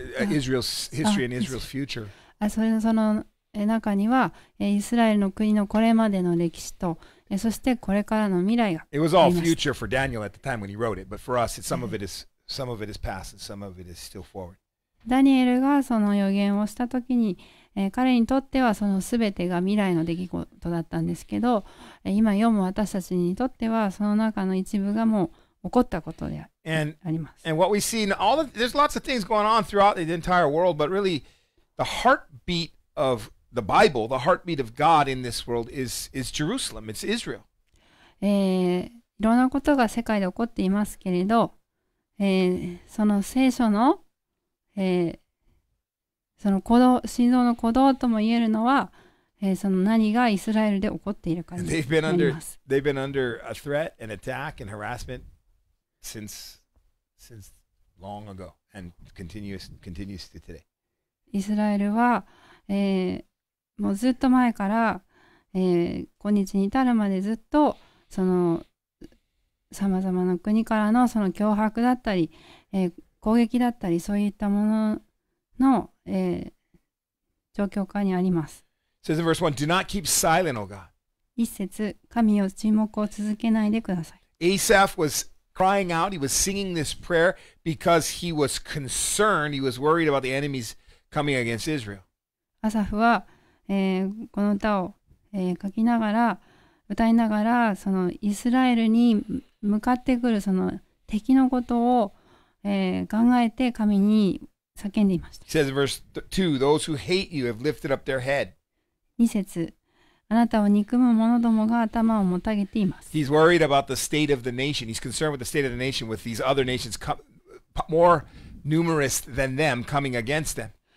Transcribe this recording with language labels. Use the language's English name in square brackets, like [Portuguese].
[English] Israel's history and Israel's future. [Japanese] その中には、イスラエルの国のこれまでの歴史と、そしてこれからの未来が。 [English] It was all future for Daniel at the time when he wrote it, but for us, some of it is past and some of it is still forward. [Japanese] ダニエルがその予言をしたときに、彼にとってはその全てが未来の出来事だったんですけど、今読む私たちにとっては、その中の一部がもう起こったことであります。 [English] And what we see in all the, there's lots of things going on throughout the entire world, but really the heartbeat of the Bible, the heartbeat of God in this world is Jerusalem, it's Israel. [Japanese] いろんなことが世界で起こっていますけれど、その聖書の、その鼓動、心臓の鼓動とも言えるのは、その何がイスラエルで起こっているかになります。 [English] They've been under a threat, an attack, and harassment. Since long ago and continues to today. [Japanese] イスラエルは、もうずっと前から、今日に至るまでずっとそのさまざまな国からのその脅迫だったり、攻撃だったり、そういったものの、状況下にあります。 [English] It says in verse 1, do not keep silent, O God. [Japanese] 一節、神よ、沈黙を続けないでください。 [English] Asaph was crying out, he was singing this prayer because he was concerned, he was worried about the enemies coming against Israel. [Japanese] アサフは、この歌を、書きながら、歌いながら、そのイスラエルに向かってくるその敵のことを、考えて神に叫んでいました。 [English] He says in verse 2, those who hate you have lifted up their head. [Japanese] 二節、あなたを憎む者どもが頭をもたげています。 [English] He's worried about the state of the nation. He's concerned with the state of the nation with these other nations more numerous than them coming against them.